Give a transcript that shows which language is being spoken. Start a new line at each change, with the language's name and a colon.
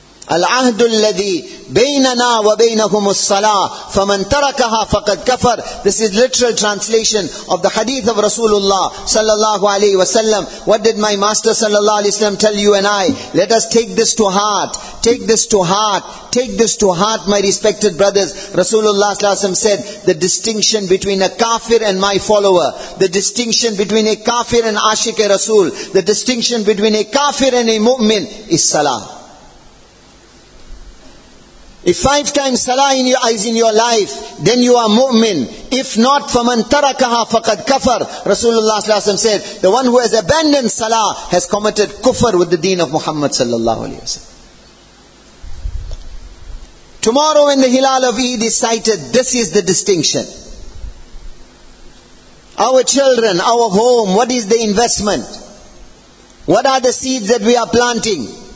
Arabic: العهد الذي بيننا وبينهم الصلاة فمن تركها فقد كفر.
English: This is literal translation of the hadith of Rasulullah sallallahu alaihi wasallam. What did my master sallallahu alaihi wasallam tell you and I? Let us take this to heart. Take this to heart. Take this to heart, my respected brothers. Rasulullah sallallahu alaihi wasallam said, the distinction between a kafir and my follower, the distinction between a kafir and ashik e Rasul, the distinction between a kafir and a mu'min is salah. If 5 times salah is in your life, then you are mu'min. If not,
Arabic: فَمَنْ تَرَكَهَا فَقَدْ كَفَرْ.
English: Rasulullah ﷺ said, the one who has abandoned salah has committed kufr with the deen of Muhammad ﷺ. Tomorrow when the Hilal of Eid is sighted, this is the distinction. Our children, our home, what is the investment? What are the seeds that we are planting?